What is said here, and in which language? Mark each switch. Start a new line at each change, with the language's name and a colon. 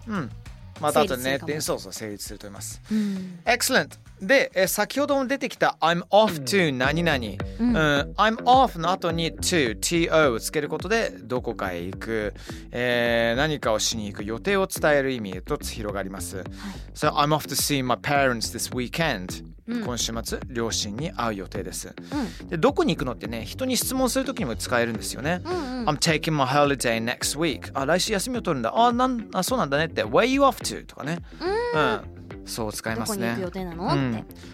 Japanese: うん、またあとね成立するかも、成立すると思います、うん、 Excellent で先ほども出てきた
English: I'm off to
Japanese: 何々、うんうん、I'm off の後に to to をつけることでどこかへ行く、何かをしに行く予定を伝える意味へと広がります、はい、
English: So I'm off to see my parents this weekend、
Japanese: うん、今週末両親に会う予定です、うん、でどこに行くのってね人に質問するときにも使えるんですよね、うんうん、
English: I'm taking my holiday next week
Japanese: あ来週休みを取るんだ あそうなんだねって
English: Where are you off to?
Japanese: とかね、うん、うん、そう使いますね。どこに行く予定なの、うん、って、